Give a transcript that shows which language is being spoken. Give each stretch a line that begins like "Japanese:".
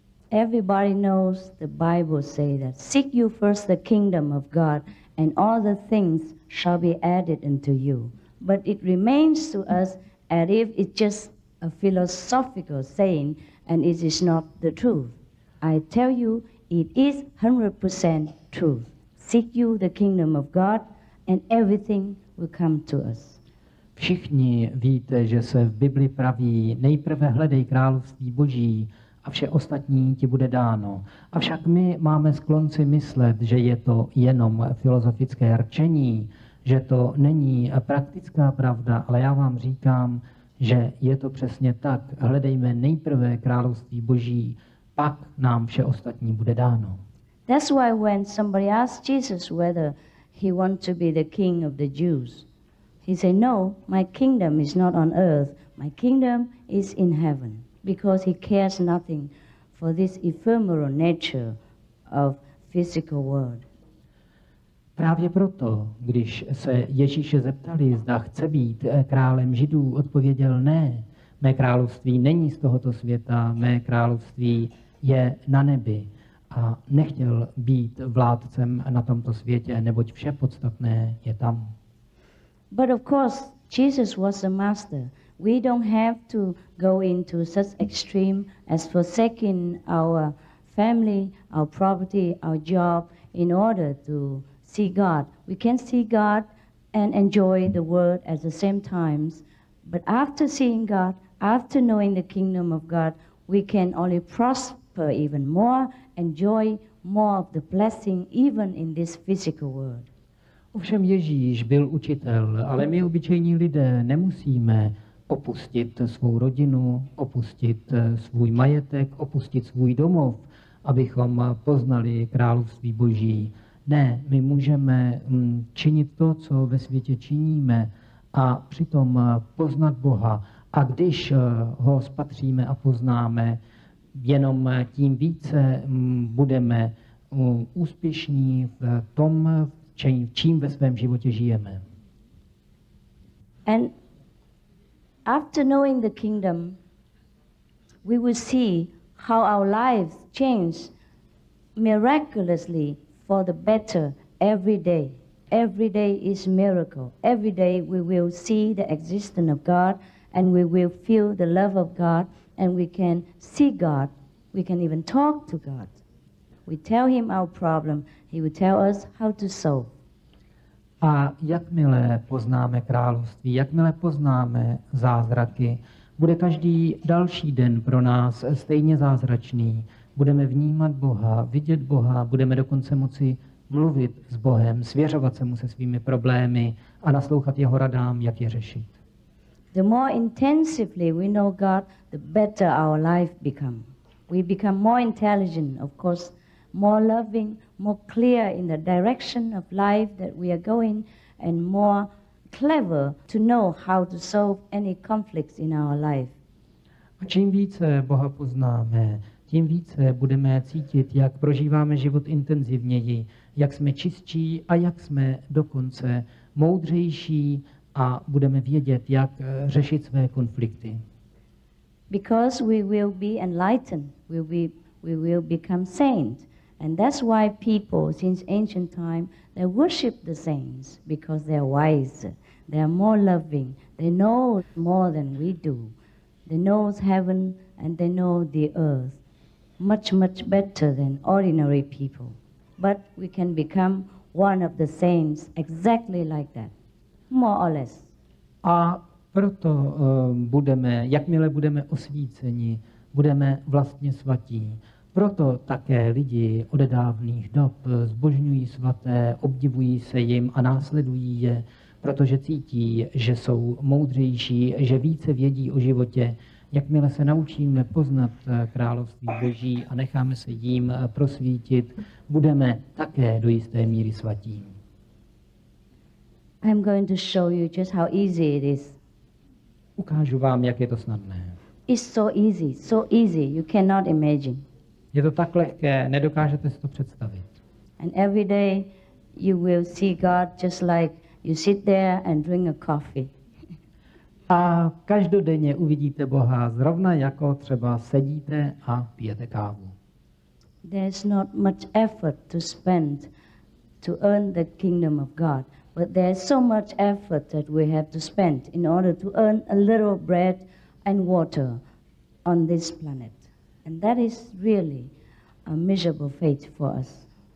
English: Everybody knows the Bible say that seek you first the kingdom of God and all the things shall be added unto you. But it remains to us as if it's just a philosophical saying and it is not the truth. I tell you, it is 100% truth. Seek you the kingdom of God and everything will come to us.
Czech: Všichni víte, že se v Bibli praví, nejprve hledej království Boží a vše ostatní ti bude dáno. Avšak my máme sklon si myslet, že je to jenom filozofické rčení, že to není praktická pravda, ale já vám říkám, že je to přesně tak. Hledejme nejprve království Boží, pak nám vše ostatní bude dáno.
English: That's why when somebody asked Jesus whether he wants to be the king of the Jews, he said, no, my kingdom is not on earth, my kingdom is in heaven. Because he cares nothing for this ephemeral nature of physical world.
Czech: Právě proto, když se Ježíše zeptali, zda chce být králem Židů, odpověděl ne. Mé království není z tohoto světa, mé království je na nebi. A nechtěl být vládcem na tomto světě, neboť vše podstatné je tam.
English: But of course, Jesus was the master. We don't have to go into such extreme as forsaking our family, our property, our job in order to see God. We can see God and enjoy the world at the same time. But after seeing God, after knowing the kingdom of God, we can only prosper even more, enjoy more of the blessing even in this physical world.
Czech: Ovšem Ježíš byl učitel, ale my obyčejní lidé nemusíme opustit svou rodinu, opustit svůj majetek, opustit svůj domov, abychom poznali království Boží. Ne, my můžeme činit to, co ve světě činíme, a přitom poznat Boha. A když ho spatříme a poznáme, jenom tím více budeme úspěšní v tom, čím ve svém životě žijeme.
English: And after knowing the kingdom, we will see how our lives change miraculously for the better every day. Every day is miracle. Every day we will see the existence of God and we will feel the love of God and we can see God. We can even talk to God. We tell him our problem. He will tell us how to solve.
Czech: A jakmile poznáme království, jakmile poznáme zázraky, bude každý další den pro nás stejně zázračný. Budeme vnímat Boha, vidět Boha, budeme dokonce moci mluvit s Bohem, svěřovat se mu se svými problémy a naslouchat jeho radám, jak je řešit.
English: The more intensively we know God, the better our life become. We become more intelligent, of course, more loving, more clear in the direction of life that we are going, and more clever to know how to solve any conflicts in our life.
Czech: A čím více Boha poznáme, tím více budeme cítit, jak prožíváme život intenzivněji, jak jsme čistší a jak jsme dokonce moudřejší a budeme vědět, jak řešit své konflikty.
English: Because we will be enlightened, we will become saints. And that's why people since ancient time, they worship the saints, because they are wise, they are more loving, they know more than we do. They know heaven and they know the earth much, much better than ordinary people. But we can become one of the saints exactly like that, more or less.
Czech: A proto budeme, jakmile budeme osvíceni, budeme vlastně svatí. Proto také lidi od dávných dob zbožňují svaté, obdivují se jim a následují je, protože cítí, že jsou moudřejší, že více vědí o životě. Jakmile se naučíme poznat království Boží a necháme se jím prosvítit, budeme také do jisté míry svatí.
English: I'm going to show you just how easy it is.
Czech: Ukážu vám, jak je to snadné.
English: It's so easy, you cannot imagine.
Czech: Je to tak lehké, nedokážete si to představit.
English: And every day you will see God just like you sit there and drink a coffee.
Czech: A každodenně uvidíte Boha zrovna jako třeba sedíte a pijete kávu.
English: There's not much effort to spend to earn the kingdom of God, but there's so much effort that we have to spend in order to earn a little bread and water on this planet. And that is really a miserable fate for us.